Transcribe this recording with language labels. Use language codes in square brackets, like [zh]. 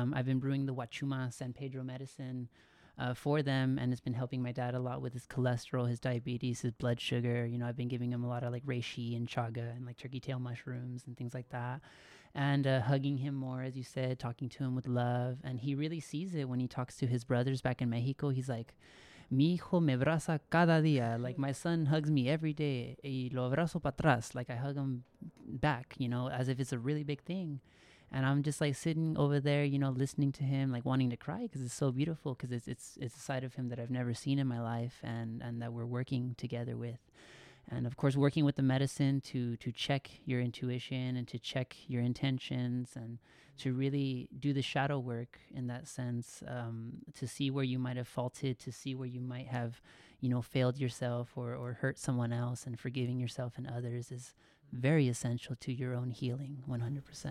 [en] I've been brewing the Huachuma San Pedro medicine for them, and it's been helping my dad a lot with his cholesterol, his diabetes, his blood sugar. You know, I've been giving him a lot of like reishi and chaga and like turkey tail mushrooms and things like that. And hugging him more, as you said, talking to him with love. And he really sees it when he talks to his brothers back in Mexico. He's like, [es] mi hijo me abraza cada día. [en] Like, my son hugs me every day. [es] Y lo abrazo para atrás. [en] Like, I hug him back, you know, as if it's a really big thing. And I'm just, like, sitting over there, you know, listening to him, like, wanting to cry because it's so beautiful, because it's a side of him that I've never seen in my life and that we're working together with. And, of course, working with the medicine to check your intuition and to check your intentions and to really do the shadow work in that sense, to see where you might have faulted, to see where you might have, you know, failed yourself or hurt someone else, and forgiving yourself and others is very essential to your own healing, 100%.